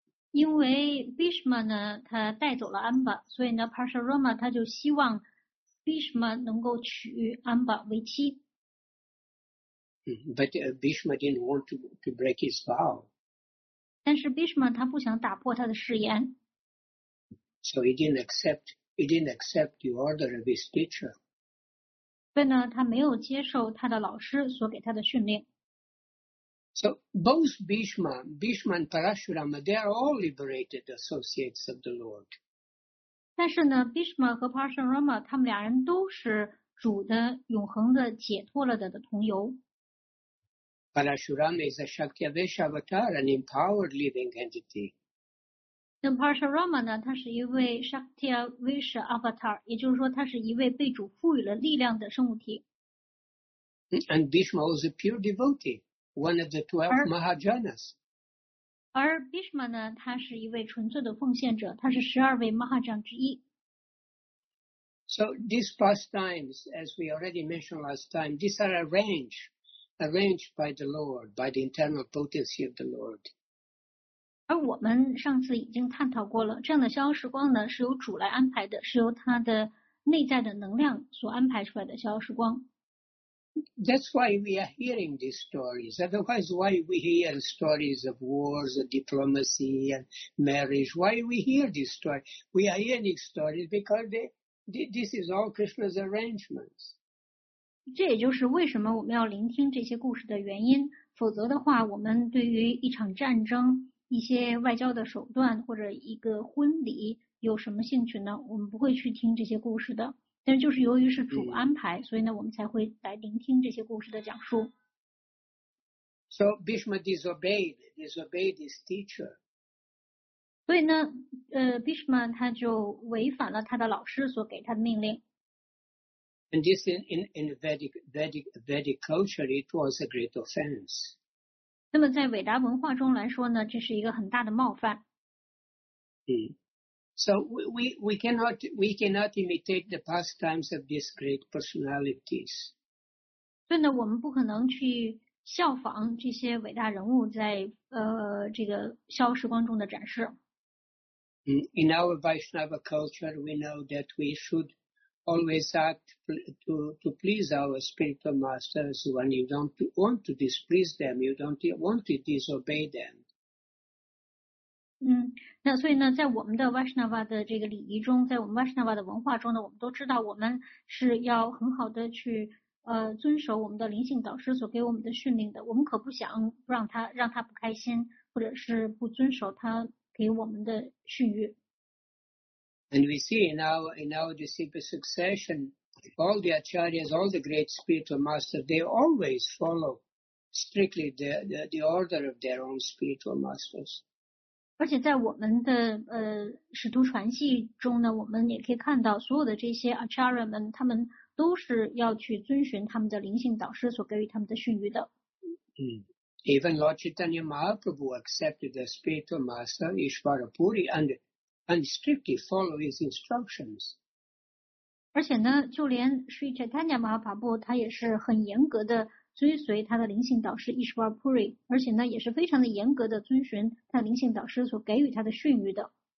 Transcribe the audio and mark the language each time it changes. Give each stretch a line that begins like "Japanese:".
Chinese: 因为 Bhishma 呢，他带走了 Amba, 所以呢 ，Parashurama 他就希望 Bhishma 能够娶 Amba 为妻。
English: But Bhishma didn't want to break his vow.
Chinese: 但是 Bhishma 他不想打破他的誓言。
English: So he didn't accept the order of his teacher.
Chinese: 所以呢，他没有接受他的老师所给他的训练。
English: So both Bhishma and Parashurama, they are all liberated associates of the Lord.
Chinese: 但是呢 ，Bhishma 和 Parashurama 他们两人都是主的永恒的解脱了的同游。
English: Parashurama is a Shaktyavesha avatar, an empowered living entity.
Chinese: Then Parashurama 呢，他是一位 Shaktyavesha avatar， 也就是说，他是一位被主赋予了力量的生物体。
English: And Bhishma was a pure devotee, one of the 12 Mahajanas.
Chinese: 而 Bhishma 呢，他是一位纯粹的奉献者，他是十二位 Mahajan 之一。
English: So these pastimes, as we already mentioned last time, these are arranged by the Lord, by the internal potency of the Lord.
Chinese: 而我们上次已经探讨过了，这样的逍遥时光呢，是由主来安排的，是由他的内在的能量所安排出来的逍遥时光。
English: That's why we are hearing these stories. Otherwise, why we hear stories of wars and diplomacy and marriage? Why we hear these stories? We are hearing stories because this is all Krishna's arrangements.
Chinese: 这也就是为什么我们要聆听这些故事的原因，否则的话，我们对于一场战争、一些外交的手段或者一个婚礼有什么兴趣呢？我们不会去听这些故事的。但就是由于是主安排，所以呢，我们才会来聆听这些故事的讲述。
English: So Bhishma disobeyed his teacher.
Chinese: 所以呢，Bhishma 他就违反了他的老师所给他的命令。
English: And this in Vedic culture, it was a great offense.
Chinese: 那么在韦达文化中来说呢，这是一个很大的冒犯。
English: So we cannot imitate the pastimes of these great personalities.
Chinese: 所以呢，我们不可能去效仿这些伟大人物在这个消时光中的展示。
English: In our Vaishnava culture, we know that we should always act to please our spiritual masters. When you don't want to displease them, you don't want to disobey them.
Chinese: 那所以呢，在我们的 Vaishnava 的这个礼仪中，在我们 Vaishnava 的文化中呢，我们都知道我们是要很好的去遵守我们的灵性导师所给我们的训令的。我们可不想让他不开心，或者是不遵守他给我们的训谕。
English: And we see in our disciple succession, all the acharyas, all the great spiritual masters, they always follow strictly the order of their own spiritual masters.
Chinese: 而且在我们的使徒传系中呢，我们也可以看到所有的这些 acharya 们，他们都是要去遵循他们的灵性导师所给予他们的训谕的。
English: Even Lord Chaitanya Mahaprabhu accepted the spiritual master Ishvara Puri and strictly followed his instructions.
Chinese: 而且呢，就连 Sri Chaitanya Mahaprabhu 他也是很严格的追随他的灵性导师 Ishvara Puri， 而且呢也是非常的严格的遵循他灵性导师所给予他的训谕的。